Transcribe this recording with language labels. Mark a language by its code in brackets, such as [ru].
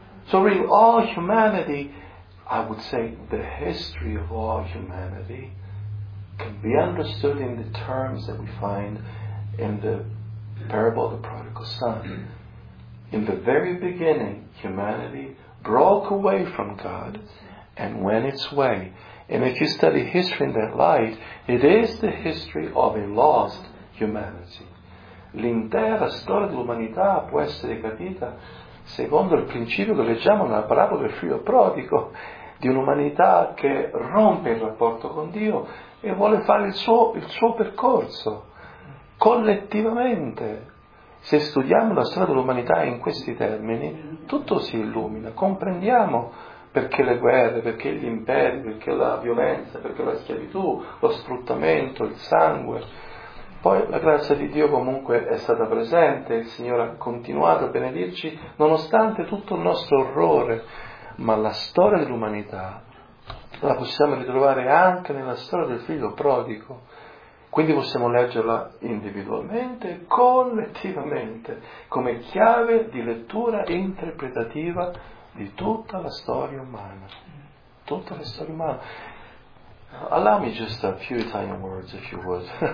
[en] So really, all humanity, I would say the history of all humanity, can be understood in the terms that we find in the parable of the prodigal son. In the very beginning, humanity broke away from God and went its way. And if you study history in that light, it is the history of a lost humanity. [it] L'intera storia dell'umanità può essere capita secondo il principio che leggiamo nella parabola del figlio prodigo, di un'umanità che rompe il rapporto con Dio e vuole fare il suo percorso collettivamente. Se studiamo la storia dell'umanità in questi termini, tutto si illumina, comprendiamo perché le guerre, perché gli imperi, perché la violenza, perché la schiavitù, lo sfruttamento, il sangue. Poi la grazia di Dio comunque è stata presente, il Signore ha continuato a benedirci nonostante tutto il nostro orrore, ma la storia dell'umanità la possiamo ritrovare anche nella storia del figlio prodigo, quindi possiamo leggerla individualmente e collettivamente come chiave di lettura interpretativa di tutta la storia umana, tutta la storia umana. [en] Allow me just a few Italian words, if you would.